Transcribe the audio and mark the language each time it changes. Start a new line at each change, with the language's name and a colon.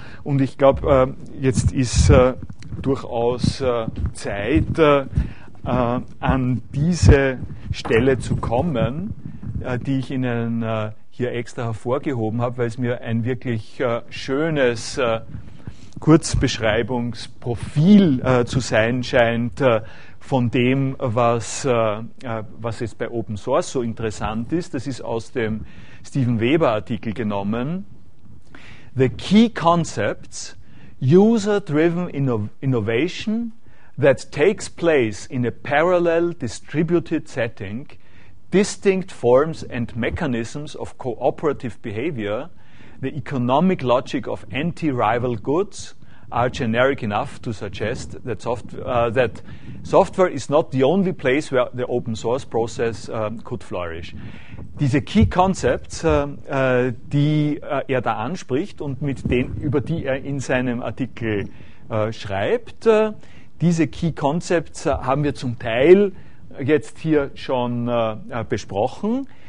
German: Und ich glaube, jetzt ist durchaus Zeit, an diese Stelle zu kommen, die ich Ihnen hier extra hervorgehoben habe, weil es mir ein wirklich schönes Kurzbeschreibungsprofil zu sein scheint, von dem, was jetzt bei Open Source so interessant ist. Das ist aus dem Stephen Weber-Artikel genommen.
English: The key concepts, user-driven innovation that takes place in a parallel distributed setting, distinct forms and mechanisms of cooperative behavior, the economic logic of anti-rival goods, are generic enough to suggest that software is not the only place where the open source process could flourish.
German: Diese Key Concepts, die er da anspricht und über die er in seinem Artikel schreibt, diese Key Concepts haben wir zum Teil jetzt hier schon besprochen.